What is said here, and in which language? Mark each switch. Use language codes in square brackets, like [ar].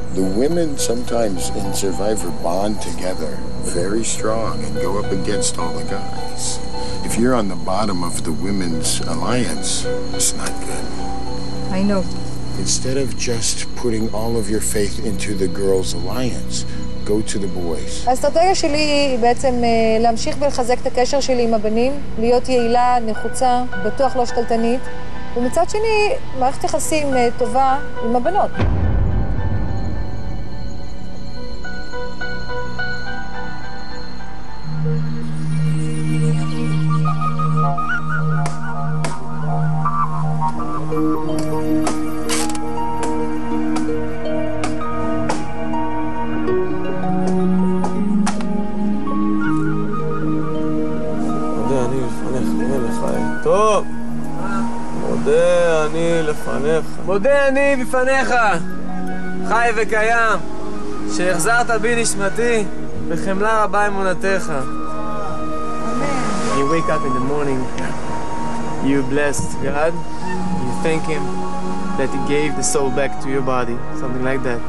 [en] The women sometimes in Survivor bond together very strong and go up against all the guys. If you're on the bottom of the women's alliance, it's not good. I know. Instead of just putting all of your faith into the girls' alliance, go to the boys. [he] האסטרטגיה שלי היא בעצם להמשיך ולחזק את הקשר שלי עם הבנים, להיות יעילה, נחוצה, בטוח לא שתלטנית, ומצד שני, מערכת יחסים טובה עם הבנות. מודה אני בפניך, חי וקיים, שהחזרת בי נשמתי בחמלה רבה אמונתך. [en] You wake up in the morning, you blessed God, you thank him that he gave the soul back to your body, something like that.